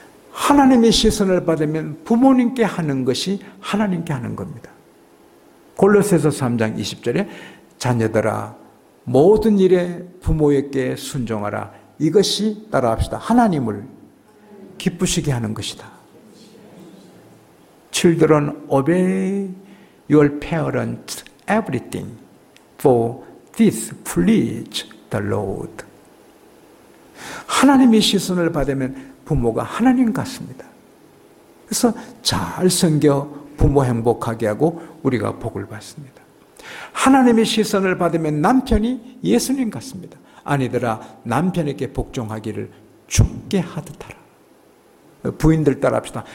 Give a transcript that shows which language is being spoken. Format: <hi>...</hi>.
<ko>하나님의 시선을 받으면 부모님께 하는 것이 하나님께 하는 겁니다. 골로새서 3장 20절에 자녀들아 모든 일에 부모에게 순종하라. 이것이 따라합시다. 하나님을 기쁘시게 하는 것이다.</ko> <en>Children obey your parents everything for this please the Lord.</en> <ko>하나님의 시선을 받으면 부모가 하나님 같습니다. 그래서 잘 섬겨 부모 행복하게 하고 우리가 복을 받습니다. 하나님의 시선을 받으면 남편이 예수님 같습니다. 아니더라 남편에게 복종하기를 주께 하듯하라. 부인들 따라 합시다.</ko>